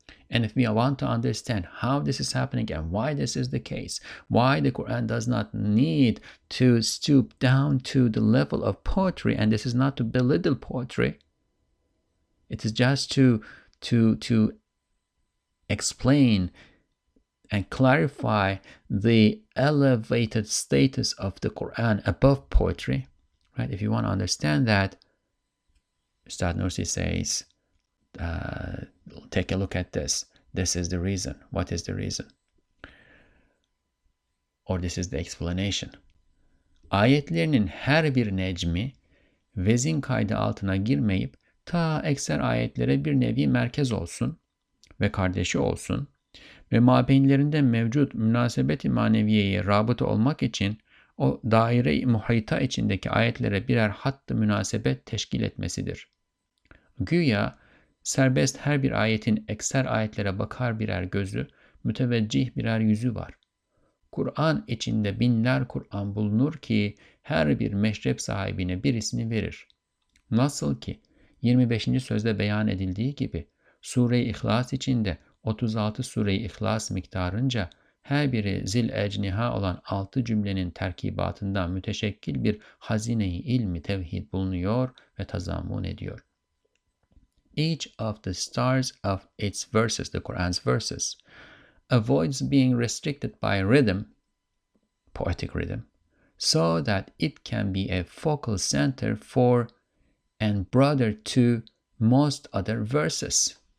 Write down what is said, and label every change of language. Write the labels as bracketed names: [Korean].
[English] And if we want to understand how this is happening and why this is the case, why the Quran does not need to stoop down to the level of poetry, and this is not to belittle poetry, it is just to explain and clarify the elevated status of the Quran above poetry. Right? If you want to understand that, Ustad Nursi says, take a look at this. This is the reason. What is the reason? Or this is the explanation. [Turkish] Ayetlerinin her bir necmi vezin kaydı altına girmeyip ta ekser ayetlere bir nevi merkez olsun ve kardeşi olsun ve mabeynlerinde mevcut münasebet-i maneviyeye rabıta olmak için o daire-i muhayta içindeki ayetlere birer hattı münasebet teşkil etmesidir. Güya serbest her bir ayetin ekser ayetlere bakar birer gözü, müteveccih birer yüzü var. Kur'an içinde binler Kur'an bulunur ki her bir meşrep sahibine birisini verir. Nasıl ki 25. sözde beyan edildiği gibi, Sure-i İhlas içinde 36 Sure-i İhlas miktarınca Her biri zil ecniha olan altı cümlenin terkibatından müteşekkil bir hazine-i ilmi tevhid bulunuyor ve tazammun ediyor. [English] Each of the stars of its verses, the Quran's verses, avoids being restricted by rhythm, poetic rhythm, so that it can be a focal center for and brother to most other verses.